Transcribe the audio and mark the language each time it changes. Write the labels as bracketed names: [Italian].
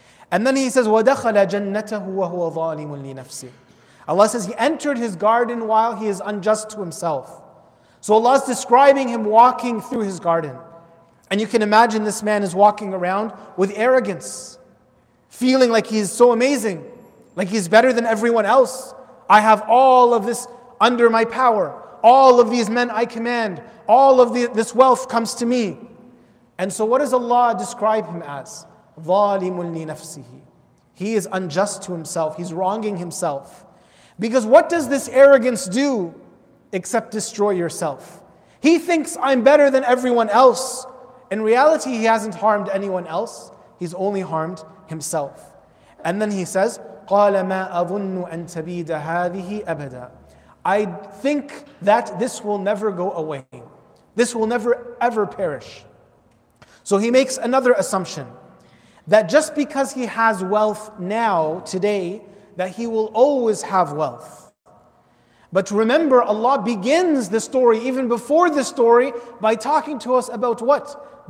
[English] And then he says, [Arabic] وَدَخَلَ جَنَّتَهُ وَهُوَ ظَالِمٌ لِنَفْسِهِ. [English] Allah says, he entered his garden while he is unjust to himself. So Allah is describing him walking through his garden. And you can imagine this man is walking around with arrogance, feeling like he's so amazing, like he's better than everyone else. I have all of this under my power. All of these men I command. All of this wealth comes to me. And so what does Allah describe him as? [Arabic] ظَالِمٌ لِنَفْسِهِ. [English] He is unjust to himself. He's wronging himself. Because what does this arrogance do except destroy yourself? He thinks I'm better than everyone else. In reality, he hasn't harmed anyone else. He's only harmed himself. And then he says, [Arabic] قَالَ مَا أَظُنُّ أَن تَبِيدَ هَذِهِ أَبَدًا. [English] I think that this will never go away. This will never ever perish. So he makes another assumption. that just because he has wealth now, today, that he will always have wealth. But remember, Allah begins the story, even before the story, by talking to us about what?